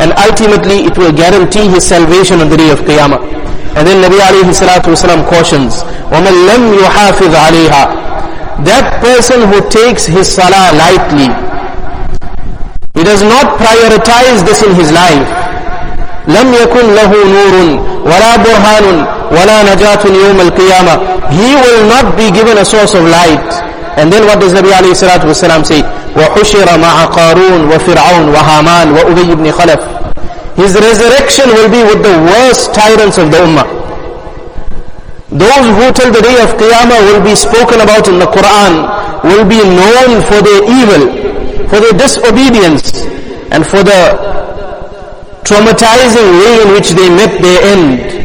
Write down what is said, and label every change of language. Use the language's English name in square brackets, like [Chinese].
[English] And ultimately it will guarantee his salvation on the day of Qiyamah. And then Nabi alayhi salatu wasalam cautions, [Arabic] وَمَنْ لَمْ يُحَافِظْ عَلَيْهَا. [English] That person who takes his salah lightly, he does not prioritize this in his life, [Arabic] لم يكن له نور ولا برهان ولا نجاة يوم القيامة. [English] He will not be given a source of light. And then what does Nabi alayhi salatu wasalam say? [Arabic] وَحُشِرَ مَعَ قَارُونَ وَفِرْعَوْنَ وَهَامَانَ وَأُبَيِّ بْنِ خَلَفٍ. [English] His resurrection will be with the worst tyrants of the ummah. Those who till the day of Qiyamah will be spoken about in the Quran will be known for their evil, for their disobedience, and for the traumatizing way in which they met their end.